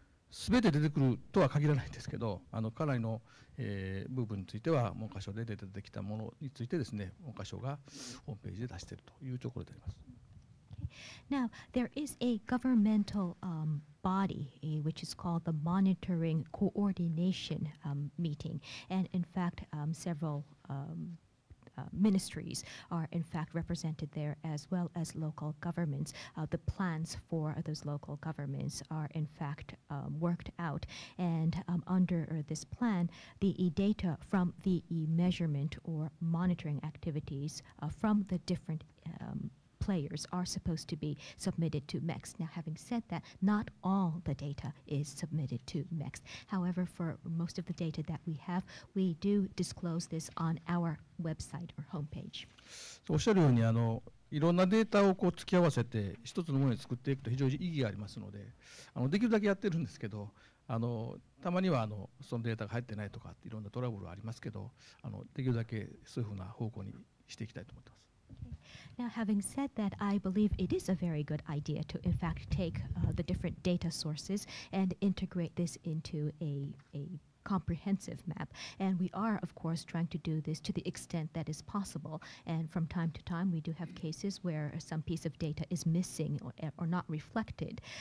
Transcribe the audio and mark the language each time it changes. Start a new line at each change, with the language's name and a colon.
Japanese: 全て出てくるとは限らないんですけど、かなりの、部分については文科省で出てきたものについてですね、文科省がホームページで出しているというところであります。
English: Now, there is a governmental body which is called the Monitoring Coordination Meeting, and in fact, several ministries are in fact represented there as well as local governments. The plans for those local governments are in fact worked out, and under this plan, the data from the measurement or monitoring activities from the different players are supposed to be submitted to MEXT. Now, having said that, not all the data is submitted to MEXT. However, for most of the data that we have, we do disclose this on our website or homepage.
Japanese: おっしゃるように、いろんなデータをこう付き合わせて一つのものに作っていくと非常に意義がありますので、できるだけやってるんですけど、たまにはそのデータが入ってないとか、いろんなトラブルはありますけど、できるだけそういうふうな方向にしていきたいと思ってます。
English: Now, having said that, I believe it is a very good idea to, in fact, take the different data sources and integrate this into a comprehensive map. And we are, of course, trying to do this to the extent that is possible. And from time to time, we do have cases where some piece of data is missing or not reflected.